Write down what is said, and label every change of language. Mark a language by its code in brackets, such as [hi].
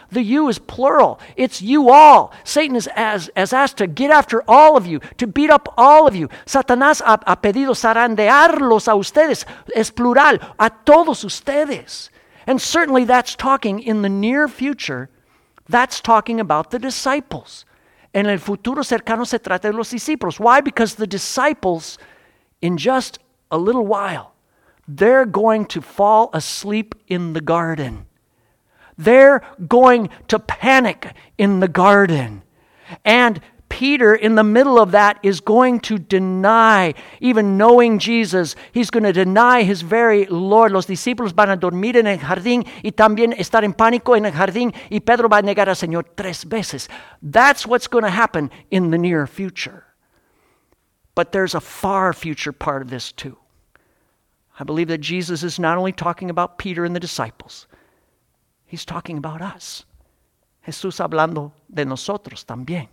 [en] The you is plural. It's you all. Satan has asked to get after all of you, to beat up all of you. [es] Satanás ha pedido zarandearlos a ustedes. Es plural. A todos ustedes. [en] And certainly that's talking in the near future, that's talking about the disciples. [es] En el futuro cercano se trata de los discípulos. [en] Why? Because the disciples, in just a little while, they're going to fall asleep in the garden. They're going to panic in the garden. And Peter, in the middle of that, is going to deny, even knowing Jesus, he's going to deny his very Lord. [es] Los discípulos van a dormir en el jardín y también estar en pánico en el jardín y Pedro va a negar al Señor tres veces. [en] That's what's going to happen in the near future. But there's a far future part of this too. I believe that Jesus is not only talking about Peter and the disciples. He's talking about us. [es] Jesús hablando de nosotros también.